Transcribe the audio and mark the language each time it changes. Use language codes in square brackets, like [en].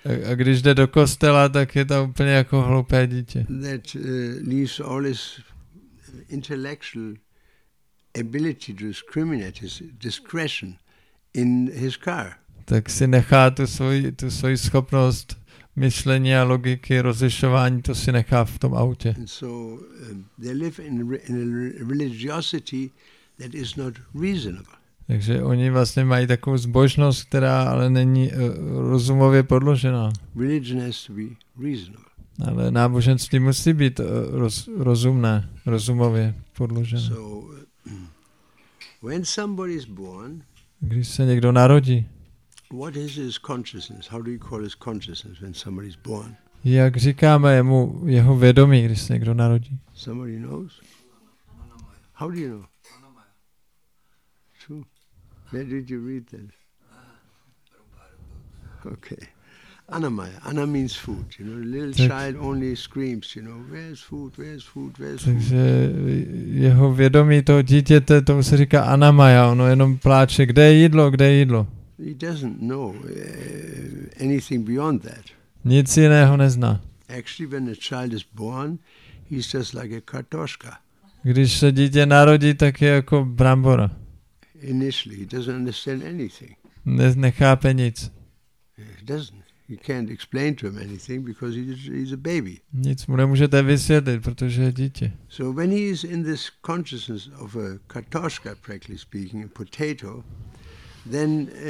[cs] A když jde do kostela, tak je tam úplně jako hloupé dítě. [en] That leaves all his intellectual ability to discriminate, his discretion in his car. [cs] Tak si nechá tu svoji schopnost myšlení a logiky, rozlišování, to si nechá v tom autě. [en] And so they live in a religiosity that is not reasonable. [cs] Takže oni vlastně mají takovou zbožnost, která ale není rozumově podložená. [en] Religion has to be reasonable. [cs] Ale náboženství musí být rozumné, rozumově podložené. [en] So, when somebody is born, [cs] když se někdo narodí, [en] what is his consciousness? How do you call his consciousness when somebody is born? [cs] Jak říkáme mu jeho vědomí, když se někdo narodí? [en] Somebody knows? How do you know? Where did you read that? Okay. Anamaya. Ana means food. You know, a little child only screams, you know, where's food, where's food, where's food? [cs] Takže jeho vědomí toho dítěte, tomu se říká anamaya. Ono jenom pláče, kde je jídlo, kde je jídlo? [en] He doesn't know anything beyond that. [cs] Nic jiného nezná. [en] Actually, when a child is born, he's just like a kartoška. [cs] Když se dítě narodí, tak je jako brambora. [en] Initially, he doesn't understand anything. [cs] Nechápe nic. [en] He doesn't. You can't explain to him anything because he's a baby. [cs] Nic mu nemůžete vysvětlit, protože je dítě. [en] So when he is in this consciousness of a kartoška, practically speaking, a potato, then